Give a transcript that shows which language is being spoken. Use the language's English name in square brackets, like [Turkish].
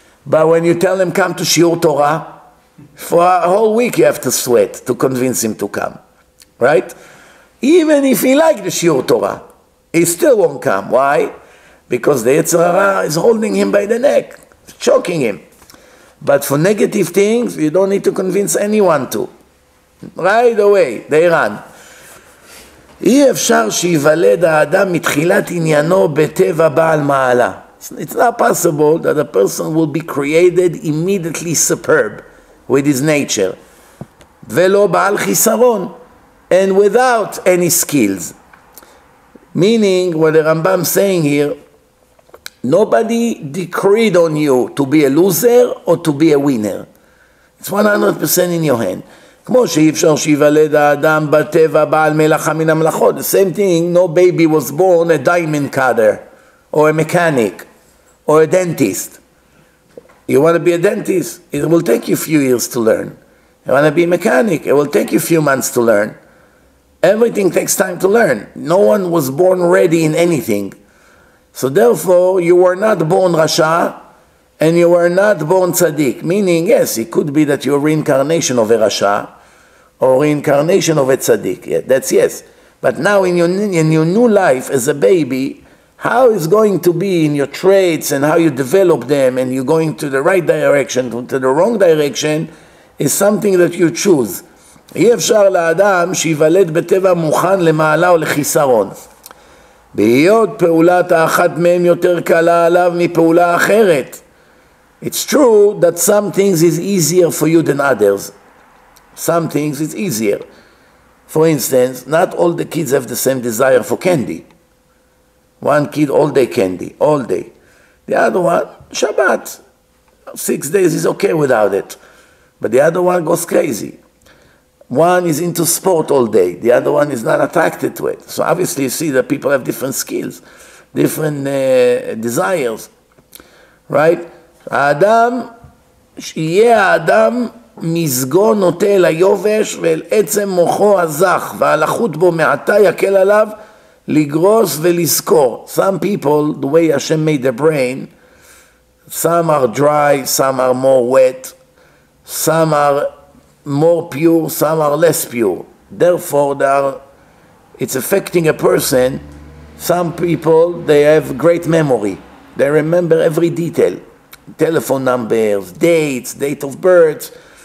[English] But when you tell him come to Shiur Torah, for a whole week you have to sweat to convince him to come, right? Even if he likes the Shiur Torah, he still won't come. Why? Because the Yetzer Hara is holding him by the neck, choking him. But for negative things, you don't need to convince anyone to. Right away, they run. [Hebrew] אי אפשר שיוולד האדם מתחילת עניינו בטבע בעל מעלה. [English] It's not possible that a person will be created immediately superb with his nature. [Hebrew] ולא בעל חיסרון. [English] And without any skills. Meaning, what the Rambam is saying here, nobody decreed on you to be a loser or to be a winner. It's 100% in your hand. [Hebrew] כמו שאי אפשר שיוולד האדם בטבע בעל מלאכה מן המלאכות. [English] The same thing, no baby was born a diamond cutter or a mechanic or a dentist. You want to be a dentist? It will take you a few years to learn. You want to be a mechanic? It will take you a few months to learn. Everything takes time to learn. No one was born ready in anything. So therefore, you were not born Rasha, and you were not born Tzaddik. Meaning, yes, it could be that you're reincarnation of a Rasha, or reincarnation of a Tzaddik. Yeah, that's yes. But now in your new life as a baby, how is going to be in your traits and how you develop them, and you're going to the right direction, to the wrong direction, is something that you choose. [Hebrew] אי אפשר לאדם שיוולד בטבע מוכן למעלה או לחיסרון. בהיות פעולת האחת מהם יותר קלה עליו מפעולה אחרת. [English] It's true that some things is easier for you than others. Some things is easier. For instance, not all the kids have the same desire for candy. One kid all day candy, all day. The other one, Shabbat. 6 days is okay without it. But the other one goes crazy. One is into sport all day. The other one is not attracted to it. So obviously you see that people have different skills, different desires, right? [Hebrew] האדם, שיהיה האדם מזגו נוטה ליובש ואל עצם מוחו הזך, והלחות בו מעטה יקל עליו לגרוס ולזכור. [English] Some people, the way Hashem made the brain, Some are dry, some are more wet, some are more pure, some are less pure. Therefore, it's affecting a person. Some people, they have great memory. They remember every detail, telephone numbers, dates, date of birth.